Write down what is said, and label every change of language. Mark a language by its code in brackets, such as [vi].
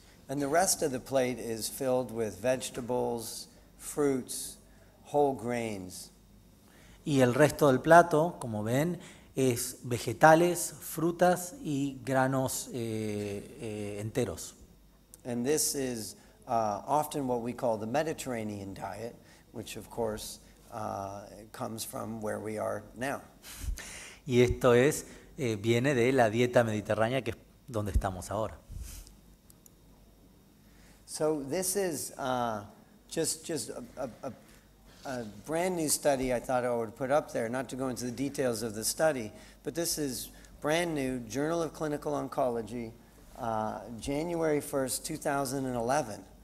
[en] And the rest of the plate is filled with vegetables, fruits, whole grains. [es] Y el resto del plato, como ven, es vegetales, frutas y granos enteros. [en] And this is often what we call the Mediterranean diet, which of course comes from where we are now. [es] Y esto es viene de la dieta mediterránea, que es donde estamos ahora. [en] So this is just a brand new study I thought I would put up there, not to go into the details of the study, but this is brand new, Journal of Clinical Oncology, January 1st, 2011.